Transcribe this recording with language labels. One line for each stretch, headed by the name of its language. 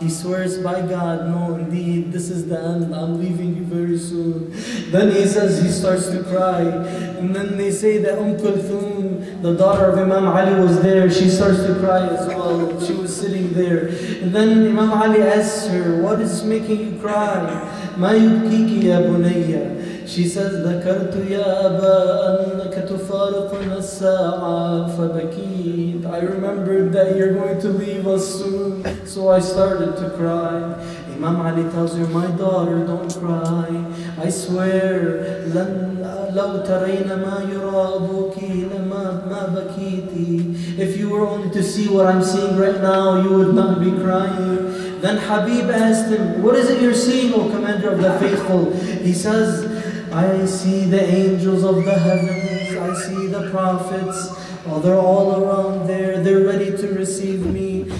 English: He swears by God, no, indeed, this is the end, I'm leaving you very soon. Then he says, he starts to cry. And then they say that Umm Kulthum, the daughter of Imam Ali, was there. She starts to cry as well. She was sitting there. And then Imam Ali asks her, what is making you cry?
Arabic: مَا يُبْكِيكِ يَا بُنَيَّ.
English: She says,
Arabic: ذَكَرْتُ يَا أَبَا أَنَّكَ تُفَارِقُنَا السَّاعَةِ فَبَكِيت.
English: I remembered that you're going to leave us soon, so I started to cry. Imam Ali tells her, my daughter, don't cry. I swear,
Arabic: لَوْ تَرَيْنَ مَا يُرَى أَبُوكِ لَمَا بَكِيتِ.
English: If you were only to see what I'm seeing right now, you would not be crying. Then Habib asked him, what is it you're seeing, O Commander of the Faithful? He says, I see the angels of the heavens, I see the prophets, oh, they're all around there, they're ready to receive me.